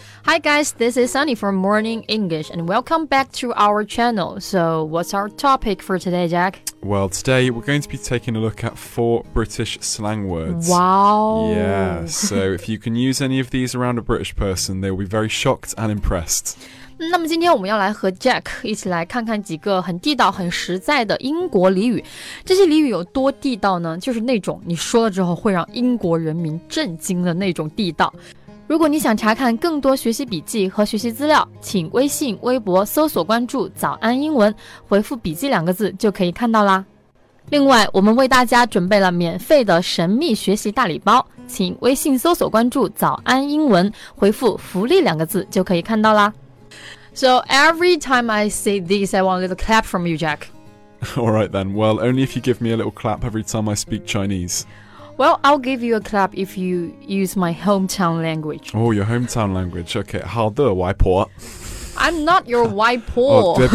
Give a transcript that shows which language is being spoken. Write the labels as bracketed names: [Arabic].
[English] Hi guys, this is Sunny from Morning English, and welcome back to our channel. So, what's our topic for today, Jack? Well, today we're going to be taking a look at 4 British slang words. Wow! Yeah, so if you can use any of these around a British person, they'll be very shocked and impressed. [Chinese] 那么今天我们要来和 Jack 一起来看看几个很地道很实在的英国俚语。这些俚语有多地道呢？就是那种你说了之后会让英国人民震惊的那种地道。如果你想查看更多学习笔记和学习资料，请微信微博搜索关注早安英文，回复笔记两个字就可以看到啦。另外，我们为大家准备了免费的神秘学习大礼包，请微信搜索关注早安英文，回复福利两个字就可以看到啦。 [English] So every time I say this, I want a little clap from you, Jack. All right then. Well, only if you give me a little clap every time I speak Chinese. Well, I'll give you a clap if you use my hometown language. Oh, your hometown language. Okay. [Chinese] 好的，外婆。 [English] I'm not your 外婆。